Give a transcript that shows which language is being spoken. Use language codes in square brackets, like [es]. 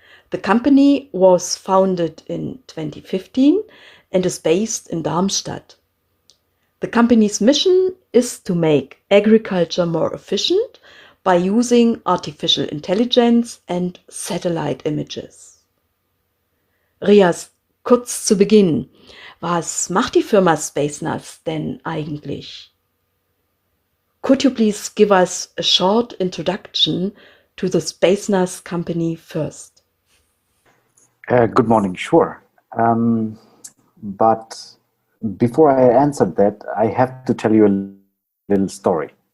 [en] The company was founded in 2015 and is based in Darmstadt. The company's mission is to make agriculture more efficient by using artificial intelligence and satellite images. [de] Rias, kurz zu Beginn, was macht die Firma Spacenas denn eigentlich? [en] Could you please give us a short introduction to the Spacenas company first? Good morning, sure. But before I answer that, I have to tell you a little story.